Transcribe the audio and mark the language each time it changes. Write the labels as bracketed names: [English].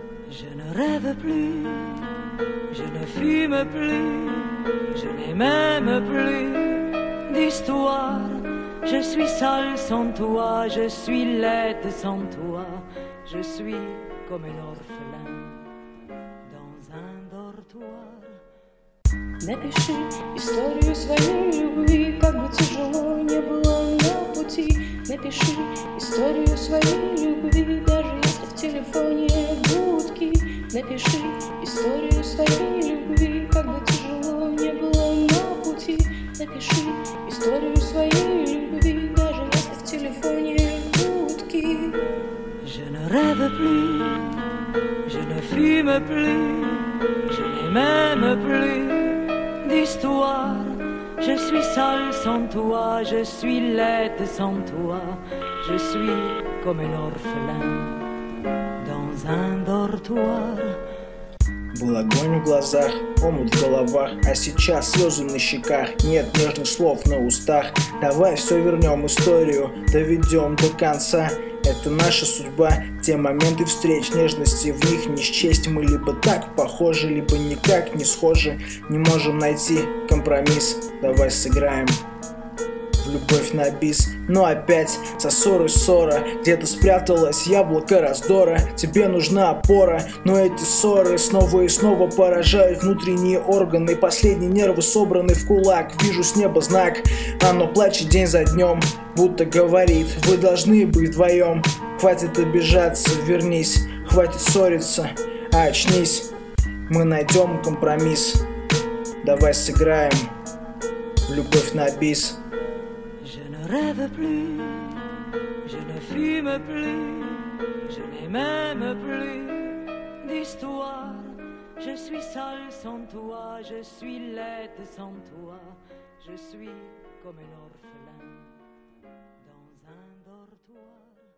[French] Je ne rêve plus, je ne fume plus, je n'ai même plus d'histoire. Je suis seul sans toi, je suis laide sans toi, je suis comme un orphelin dans un dortoir. [Russian] Напиши историю свою любви, как бы тяжело не было на пути. Напиши историю своей любви, даже если в телефоне гудки. Напиши историю своей любви, как бы тяжело не было на пути. Напиши историю своей любви, даже если в телефоне гудки. Je ne rêve plus, je ne fume plus, je n'ai même plus d'histoire. Je suis seul sans toi, je suis laide sans toi, je suis comme un orphelin dans un dortoir. Был огонь в глазах, омут в головах, а сейчас слезы на щеках. Нет нежных слов на устах. Давай все вернем историю, доведем до конца. Это наша судьба, те моменты встреч, нежности в них не счесть. Мы либо так похожи, либо никак не схожи. Не можем найти компромисс, давай сыграем в любовь на бис. Но опять со ссорой ссора, где-то спряталось яблоко раздора. Тебе нужна опора, но эти ссоры снова и снова поражают внутренние органы. Последние нервы собраны в кулак, вижу с неба знак. Оно плачет день за днем, будто говорит, вы должны быть вдвоем. Хватит обижаться, вернись, хватит ссориться, очнись. Мы найдем компромисс, давай сыграем в любовь на бис. [French] Je ne rêve plus, je ne fume plus, je n'ai même plus d'histoire. Je suis seul sans toi, je suis laide sans toi, je suis comme un orphelin dans un dortoir.